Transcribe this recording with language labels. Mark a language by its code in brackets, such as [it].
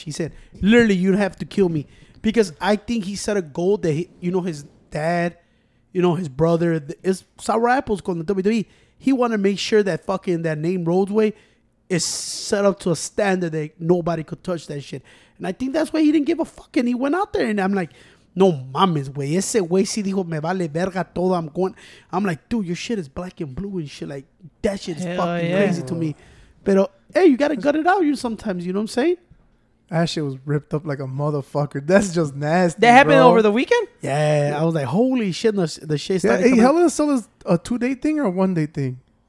[en] He said, literally, you'd have to kill me. Because I think he set a goal that, his dad, his brother, it's Sour Apples going to WWE. He wanted to make sure that fucking that name Roadway is set up to a standard that nobody could touch that shit. And I think that's why he didn't give a fuck. And he went out there and I'm like, [es] no mames, güey. Ese güey sí dijo, me vale verga todo. [en] I'm like, dude, your shit is black and blue and shit. Like, that shit is crazy to me. [es] Pero, [en] hey, you got to gut it out sometimes. You know what I'm saying? That shit was ripped up like a motherfucker. That's just nasty, That happened, bro, over the weekend? Yeah. I was like, holy shit. The shit started coming. Hell in a Cell is a two-day thing or a one-day thing?